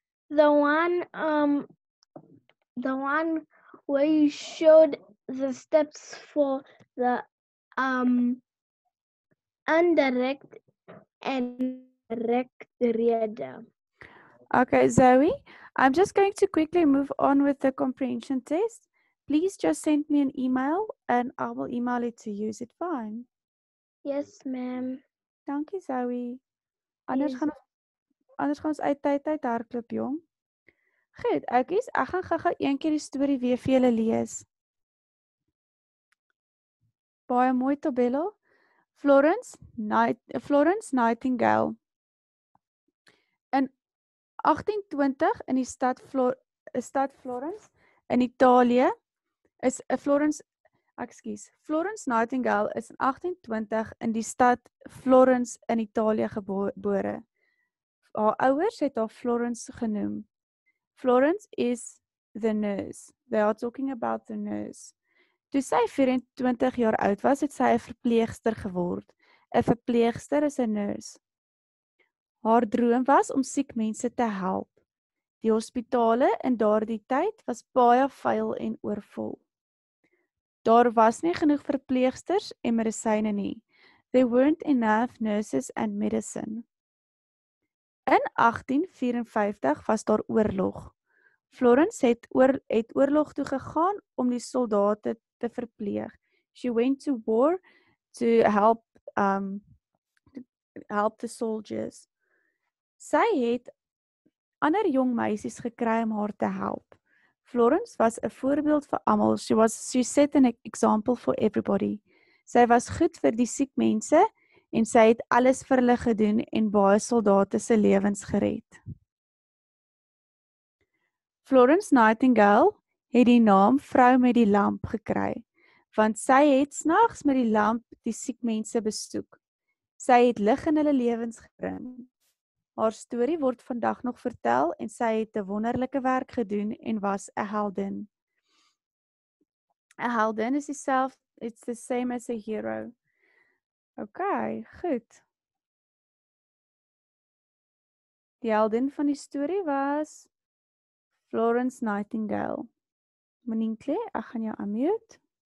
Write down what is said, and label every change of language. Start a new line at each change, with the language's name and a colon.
English: The one where you showed the steps for the indirect and rectoriada. Okay, Zoe, I'm just going to quickly move on with the comprehension test. Please just send me an email and I will email it to you. Is it fine? Yes, ma'am. Thank you, Zoe.
Afrikaans: Anders gaan ons uit tyd hardloop, jong. Goed, oukies, ek gaan gou-gou een keer die story weer vir julle lees. Baie mooi, Tobello. Florence Nightingale. In 1820 in die stad Florence in Italië Florence Nightingale is in 1820 in die stad Florence in Italië gebore. Haar ouers het haar Florence genoem.
English: Florence is the nurse. They are talking about the nurse.
Afrikaans: Toe sy 24 jaar oud was, het sy 'n verpleegster geword. 'N verpleegster is 'n nurse. Haar droom was om siek mense te help. Die hospitale in daardie tyd was baie vuil en oorvol. Daar was nie genoeg verpleegsters en medisyne nie.
English: There weren't enough nurses and medicine.
Afrikaans: In 1854 was daar oorlog. Florence het oorlog toe gegaan om die soldate te verpleeg.
English: She went to war to help the soldiers.
Afrikaans: Sy het ander jong meisies gekry om haar te help. Florence was 'n voorbeeld vir almal.
English: She set an example for everybody.
Afrikaans: Sy was goed vir die siek mense en sy het alles vir hulle gedoen en baie soldate se lewens gered. Florence Nightingale het die naam Vrou met die lamp gekry, want sy het snags met die lamp die siek mense besoek. Sy het lig in hulle lewens gebring. Haar storie word vandag nog vertel en sy het 'n wonderlike werk gedoen en was 'n heldin. 'N heldin is dieselfde,
English: it's the same as a hero.
Afrikaans: Okay, goed. Die heldin van die storie was Florence Nightingale. Meninkle, ek gaan jou unmute.